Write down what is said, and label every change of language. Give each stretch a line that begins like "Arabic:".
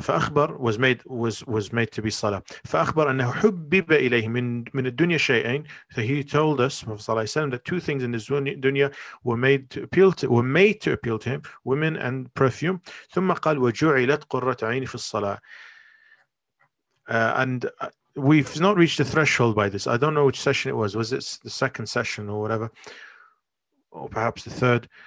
English: فأخبر was made to be salah.
Arabic: فأخبر أنه حبب إليه من الدنيا شيئين.
English: So he told us, Prophet
Arabic: صلى الله عليه وسلم,
English: that two things in this dunya were made to appeal to him, women and perfume.
Arabic: ثم قال وجعلت قرة عيني في الصلاة.
English: And we've not reached the threshold by this. I don't know which session it was. Was it the second session or whatever, or perhaps the third?